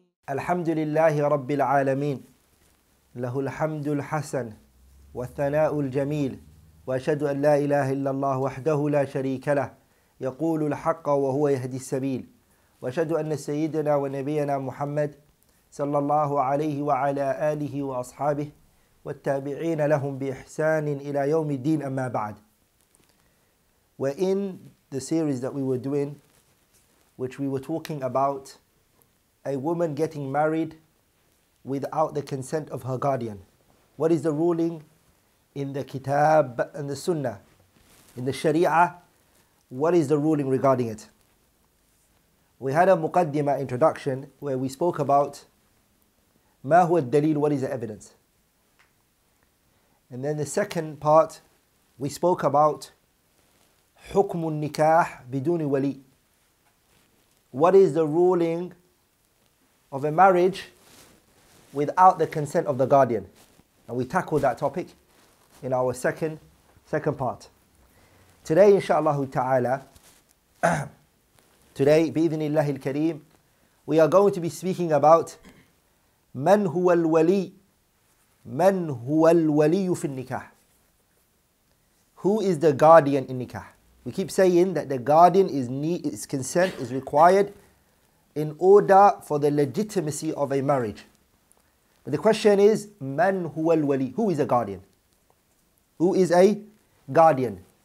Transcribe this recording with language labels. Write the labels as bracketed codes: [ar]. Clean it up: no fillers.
[ar] الحمد لله رب العالمين، له الحمد الحسن والثناء الجميل، وأشهد أن لا إله إلا الله وحده لا شريك له، يقول الحق وهو يهدي السبيل، وأشهد أن سيدنا ونبينا محمد صلى الله عليه وعلى آله وأصحابه والتابعين لهم بإحسان إلى يوم الدين، أما بعد. [en] We're in the series that we were doing, which we were talking about a woman getting married without the consent of her guardian. What is the ruling in the Kitab and the Sunnah, in the Sharia? What is the ruling regarding it? We had a muqaddimah, introduction, where we spoke about [ar] ما هو الدليل, [en] what is the evidence? And then the second part, we spoke about [ar] حكم النكاح بدون ولي. [en] What is the ruling of a marriage without the consent of the guardian? And we tackled that topic in our second part. Today, inshaAllah ta'ala, today, [ar] بإذن الله الكريم, [en] we are going to be speaking about [ar] من هو الولي, من هو الولي في النكاح. [en] Who is the guardian in nikah? We keep saying that the guardian is his consent is required in order for the legitimacy of a marriage. But the question is, [ar] من هو الولي? [en] Who is a guardian? Who is a guardian?